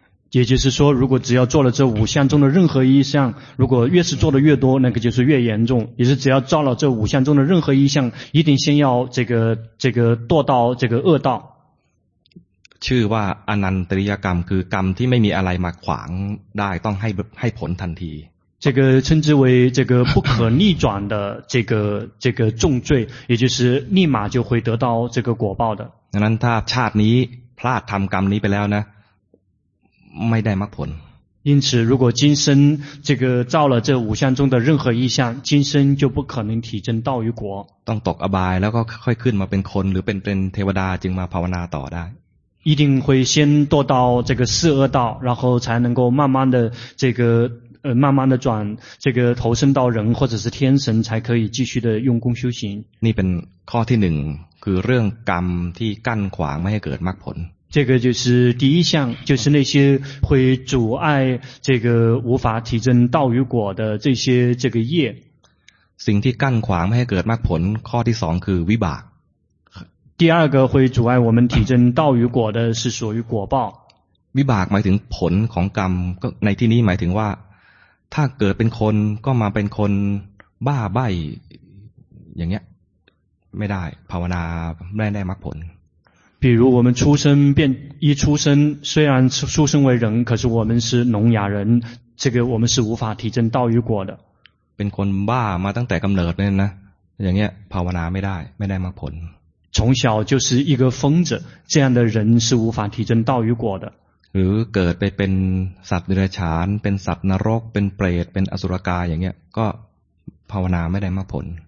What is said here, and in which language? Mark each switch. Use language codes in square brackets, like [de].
[zh] 也就是说如果只要做了这五项中的任何一项如果越是做的越多那个就是越严重也是只要做了这五项中的任何一项一定先要这个堕到这个恶道 [th] ชื่อว่าอนันตริยกรรมคือกรรมที่ไม่มีอะไรมาขวางได้ต้องให้ผลทันที [zh] 这个称之为这个不可逆转的这个重罪也就是立马就会得到这个果报的 [th] ดังนั้นถ้าชาตินี้พลาดทำกรรมนี้ไปแล้วนะไม่ได้มรรคผล [zh] 因此如果今生这个造了这五项中的任何一项今生就不可能提证道与果 [th] ต้องตกอบายแล้วก็ค่อยขึ้นมาเป็นคนหรือเป็นเทวดาจึงมาภาวนาต่อได้ [zh] 一定会先堕到这个四恶道然后才能够慢慢的这个慢慢的转这个投身到人或者是天神才可以继续的用功修行 [th] นี่เป็นข้อที่หนึ่งคือเรื่องกรรมที่กั้นขวางไม่ให้เกิดมรรคผล [zh] 这个就是第一项就是那些会阻碍这个无法提证道与果的这个业 [th] สิ่งที่กั้นขวางไม่ให้เกิดมรรคผลข้อที่สองคือวิบาก [zh] 第二个会阻碍我们提证道与果的是属于果报 [th] วิบากหมายถึงผลของกรรมก็ในที่นี้หมายถึงว่าถ้าเกิดเป็นคนก็มาเป็นคนบ้าใบ้อย่างเงี้ยไม่ได้ภาวนาไม่ได้มรรคผล [zh] 比如我们出生变一出生虽然出生为人可是我们是聋哑人这个我们是无法提证道与果的 [th] เป็นคนบ้ามาตั้งแต่กำเนิดเนี่ยนะอย่างเงี้ยภาวนาไม่ได้มรรคผล [zh] 从小就是一个疯子这样的人是无法提证道与果的 [th] หรือเกิดไปเป็นสัตว์เดรัจฉานเป็นสัตว์นรกเป็นเปรตเป็นอสุรกายอย่างเงี้ยก็ภาวนาไม่ได้มรรคผล